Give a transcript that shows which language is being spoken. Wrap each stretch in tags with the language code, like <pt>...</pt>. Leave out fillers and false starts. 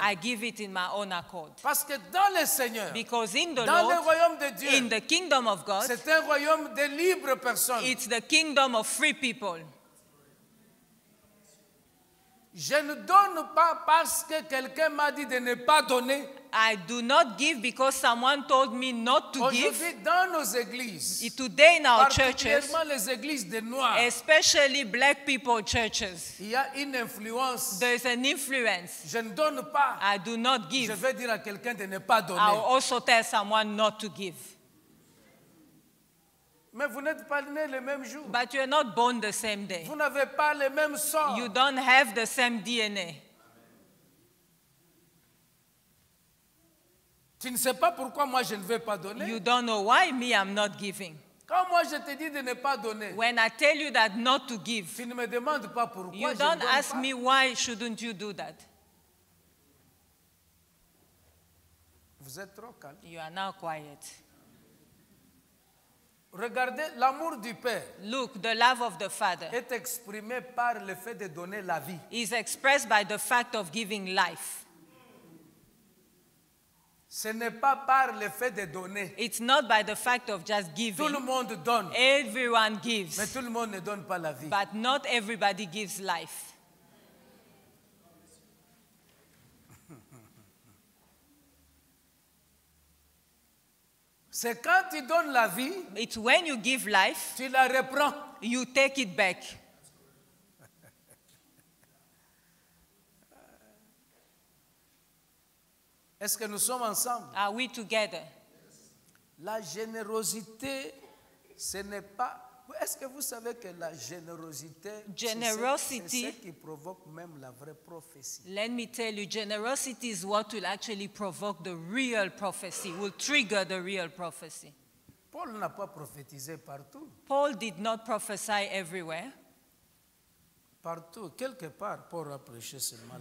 <en>I give it in my own accord.</en> <fr>Parce que dans le Seigneur,</fr> <en>because in the</en> <fr>dans</fr> <en>Lord,</en> <fr>le royaume de Dieu,</fr> <en>in the kingdom of God,</en> <fr>c'est un royaume de libres personnes.</fr> <en>It's the kingdom of free people.</en> <fr>Je ne donne pas parce que quelqu'un m'a dit de ne pas donner.</fr> <en>I do not give because someone told me not to give.</en> <fr>Dans nos églises,</fr> <en>today in our churches,</en> <fr>les églises des Noirs,</fr> <en>especially black people churches,</en> <fr>il y a une influence.</fr> <en>There is an influence.</en> <fr>Je ne donne pas.</fr> <en>I do not give.</en> <fr>Je vais dire à quelqu'un de ne pas donner.</fr> <en>I will also tell someone not to give.</en> <fr>Mais vous n'êtes pas né le même jour.</fr> <en>But you are not born the same day.</en> <fr>Vous n'avez pas le même sort.</fr> <en>You don't have the same DNA.</en> <fr>Tu ne sais pas pourquoi moi je ne vais pas donner.</fr> <en>You don't know why me I'm not giving.</en> <fr>Quand moi je te dis de ne pas donner.</fr> <en>When I tell you that not to give.</en> <fr>Tu ne me demandes pas pourquoi.</fr> <en>You don't ask me why shouldn't you do that.</en> <fr>Vous êtes trop calme.</fr> <en>You are now quiet.</en> <fr>Regardez l'amour du Père.</fr> <en>Look, the love of the Father.</en> <fr>Est exprimé par le fait de donner la vie.</fr> <en>Is expressed by the fact of giving life.</en> <fr>Ce n'est pas par le fait de donner.</fr> <en>It's not by the fact of just giving.</en> <fr>Tout le monde donne.</fr> <en>Everyone gives.</en> <fr>Mais tout le monde ne donne pas la vie.</fr> <en>But not everybody gives life.</en> <fr>C'est quand tu donnes la vie.</fr> <en>It's when you give life.</en> <fr>Tu la reprends.</fr> <en>You take it back.</en> <fr>Est-ce que nous sommes ensemble?</fr> <en>Are we together?</en> <fr>La générosité, ce n'est pas... Est-ce que vous savez que la générosité, c'est ce qui provoque même la vraie prophétie?</fr> <en>Let me tell you, generosity is what will actually provoke the real prophecy, will trigger the real prophecy.</en> <fr>Paul n'a pas prophétisé partout.</fr> <en>Paul did not prophesy everywhere.</en> <fr>Partout, quelque part, Paul a prêché seulement.</fr>